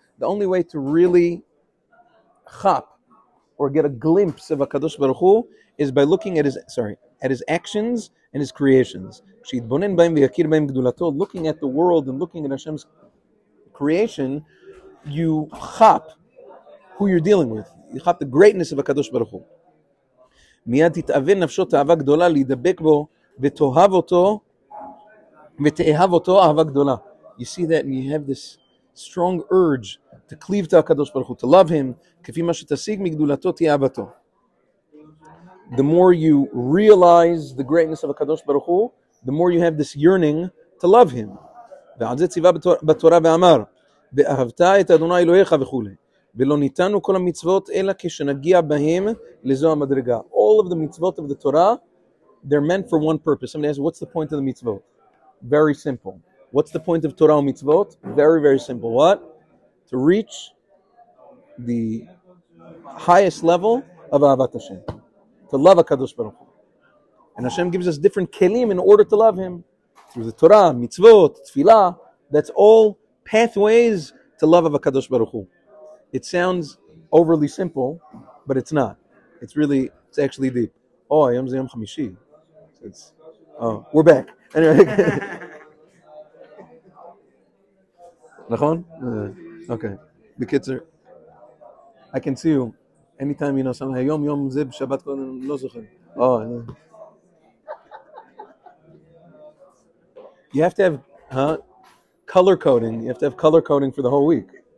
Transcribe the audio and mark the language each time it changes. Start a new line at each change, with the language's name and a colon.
English: The only way to really chop or get a glimpse of הקדוש ברוך הוא is by looking at his, sorry, at his actions and his creations. כשיתבונן בהם ויכיר בהם גדולתו, looking at the world and looking at Hashem's creation, you chop who you're dealing with. You chop the greatness of הקדוש ברוך הוא.
Hebrew: מיד תתאווה נפשו תאווה גדולה להידבק בו ותאהב אותו ותאהב אותו אהבה גדולה.
English: You see that and you have this strong urge to cleave to HaKadosh Baruch Hu, to love Him.
Hebrew: כפי מה שתשיג מגדולתו תהיה אהבתו.
English: The more you realize the greatness of HaKadosh Baruch Hu, the more you have this yearning to love Him.
Hebrew: ועל זה ציווה בתורה ואמר, ואהבת את אדוני אלוהיך וכו'. ולא ניתנו כל המצוות אלא כשנגיע בהם לזו המדרגה.
English: All of the mitzvot of the Torah, they're meant for one purpose. Somebody asks, what's the point of the mitzvot? Very simple. What's the point of Torah and mitzvot? Very, very simple. What? To reach the highest level of Ahavat Hashem. To love HaKadosh Baruch Hu. And Hashem gives us different kelim in order to love Him. Through the Torah, mitzvot, tefillah. That's all pathways to love of HaKadosh Baruch Hu. It sounds overly simple, but it's not. It's really, it's actually deep. Oh, Yom Zeh Yom Chamishi. It's, oh, we're back. Anyway.
Hebrew: נכון? אוקיי.
English: בקיצר, I can see you. Anytime you know something.
Hebrew: היום, יום זה בשבת קודם, אני לא זוכר.
English: Oh, you have to have color coding. You have to have color coding for the whole week.